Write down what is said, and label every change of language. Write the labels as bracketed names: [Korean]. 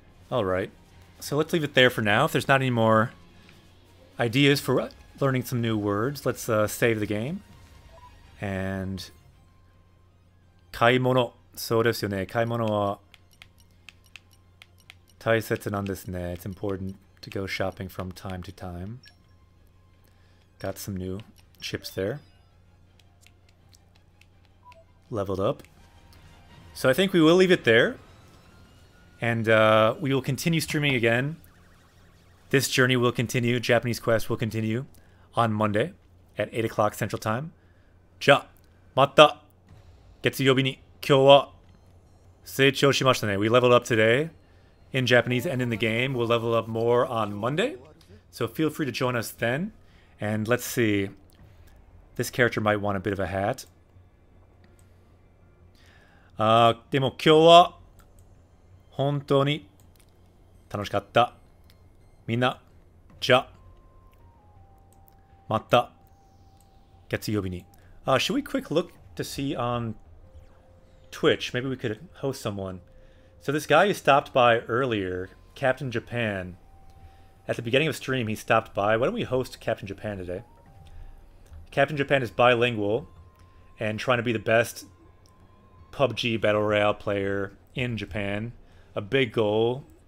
[English] Alright. So let's leave it there for now. If there's not any more ideas for learning some new words, let's save the game. [Japanese] And... 買い物。そうですよね。買い物は大切なんですね。 [English] It's important to go shopping from time to time. Got some new chips there. Leveled up. So I think we will leave it there. And we will continue streaming again. This journey will continue. Japanese Quest will continue on Monday at 8 o'clock Central Time. [Japanese] じゃあ、また月曜日に今日は成長しましたね。 [English] We leveled up today in Japanese and in the game. We'll level up more on Monday. So feel free to join us then. And let's see. This character might want a bit of a hat. [Japanese] でも今日は本当に楽しかった。みんな、じゃあ、また、月曜日に。 [English] Should we quick look to see on Twitch? Maybe we could host someone. So this guy you stopped by earlier, Captain Japan, at the beginning of stream, he stopped by. Why don't we host Captain Japan today? Captain Japan is bilingual and trying to be the best PUBG Battle Royale player in Japan. A big goal.